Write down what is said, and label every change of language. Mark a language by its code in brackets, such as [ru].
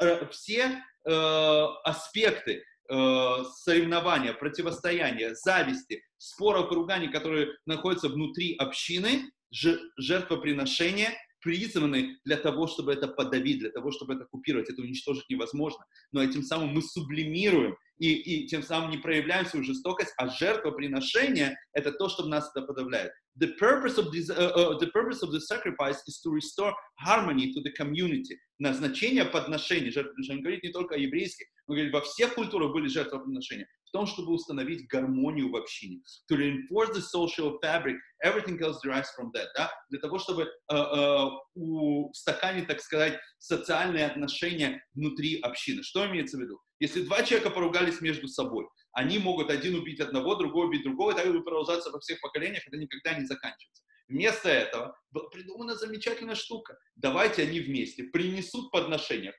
[ru] Все аспекты соревнования, противостояния, зависти, споров и руганий, которые находятся внутри общины, жертвоприношения призваны для того, чтобы это подавить, для того, чтобы это купировать. Это уничтожить невозможно. Но этим самым мы сублимируем и тем самым не проявляем свою жестокость, а жертвоприношение — это то, что нас это подавляет. [en] The purpose of the sacrifice is to restore harmony to the community. [ru] Назначение подношения, жертвоприношения, говорит не только о еврейских, но говорит, во всех культурах были жертвоприношения, в том, чтобы установить гармонию в общине. [en] To reinforce the social fabric, everything else derives from that. [ru] Да? Для того, чтобы устаканить, так сказать, социальные отношения внутри общины. Что имеется в виду? Если два человека поругались между собой, они могут один убить одного, другой убить другого, и так будет продолжаться во всех поколениях, это никогда не заканчивается. Вместо этого была придумана замечательная штука. Давайте они вместе принесут подношение.